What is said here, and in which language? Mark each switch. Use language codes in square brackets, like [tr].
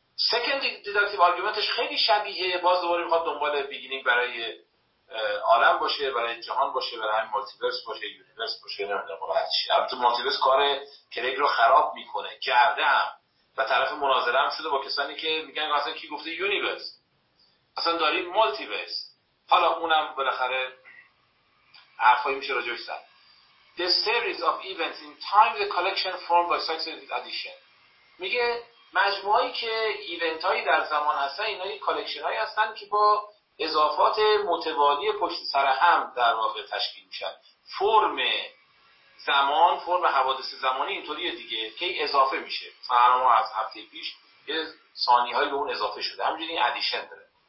[fa] سکند دیداکتیو آرگومنتش خیلی شبیه باز دوباره میخواد دنبال بیگینینگ برای عالم باشه، برای جهان باشه، برای همین مالتیورس باشه، یونیورس باشه، نمیدونم برای چی. البته مالتیورس کار کریگ رو خراب میکنه، کردم و طرف مناظره هم شده با کسانی که میگن اصلا کی گفته یونیورس، اصلا داریم مالتیورس. حالا اونم بالاخره حرفایی میشه راجعش زد. [en] The series of events in time the collection formed by successive addition. [fa] میگه مجموعه‌ای که ایونت هایی در زمان هستن، اینا یک کالکشن هایی هستن که با اضافات متوالی پشت سر هم در واقع تشکیل میشن. فرم زمان، فرم حوادث زمانی اینطوریه دیگه که اضافه میشه. مثلا ما از هفته پیش یه ثانیه هایی به اون اضافه شده، همجوری ادیشن داره.